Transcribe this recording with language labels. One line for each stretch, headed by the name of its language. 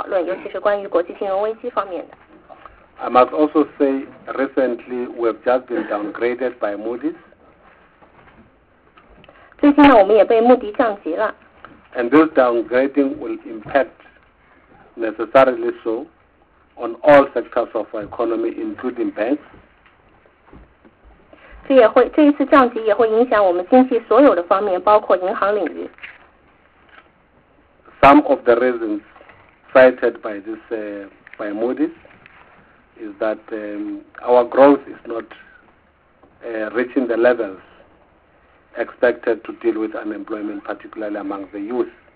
Chinese: 因为时间有限，我就先说这么多。下面呢，我想是大家讨论的时间，希望中方能向我们介绍一些情况，然后呢，和我们展开讨论，尤其是关于国际金融危机方面的。
English: I must also say, recently we have just been downgraded by Moody's.
Chinese: 最近呢，我们也被穆迪降级了。
English: And this downgrading will impact necessarily so on all sectors of our economy, including banks.
Chinese: 这一次降级也会影响我们经济所有的方面，包括银行领域。
English: Some of the reasons cited by this by Moody's is that our growth is not reaching the levels expected to deal with unemployment, particularly among the youth.